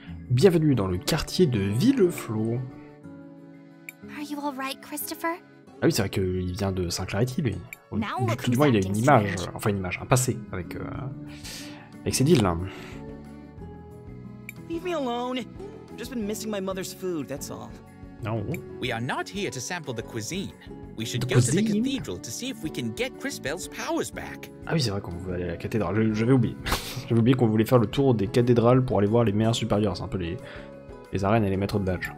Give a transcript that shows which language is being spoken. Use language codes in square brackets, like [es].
[fr] Bienvenue dans le quartier de Villeflot. [en] Are you all right, Cristopher? [fr] Ah oui, c'est vrai qu'il vient de Saint-Clarity, lui. Tout du moins, il a une image, enfin une image, un passé avec, avec ses deals, là. [en] Leave me alone. Just been missing my mother's food, that's all. No. We are not here to sample the cuisine. We should go to the cathedral to see if we can get Crispell's powers back. [fr] Ah oui, c'est vrai qu'on voulait aller à la cathédrale. J'avais oublié. J'avais oublié qu'on voulait faire le tour des cathédrales pour aller voir les maires supérieurs, c'est un peu les arènes et les maîtres de badge.